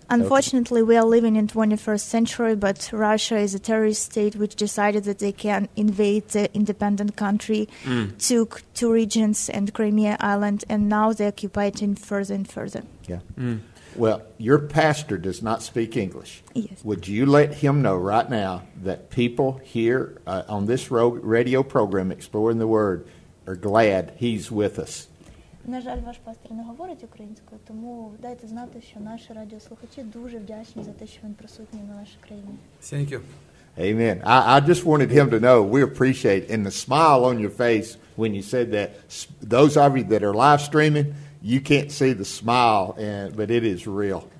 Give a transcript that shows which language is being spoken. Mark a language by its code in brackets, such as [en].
[en] Unfortunately, okay. We are living in 21st century, but Russia is a terrorist state which decided that they can invade the independent country, took two regions and Crimea Island, and now they occupy it further and further. Yeah. Mm. Well, your pastor does not speak English. Yes. Would you let him know right now that people here on this radio program, Exploring the Word, are glad he's with us? [uk] На жаль, ваш пастор не говорить українською, тому дайте знати, що наші радіослухачі дуже вдячні за те, що він присутній на нашій країні. [en] Thank you. Amen. I just wanted him to know we appreciate and the smile on your face when you said that. Those of you that are live streaming, you can't see the smile, but it is real.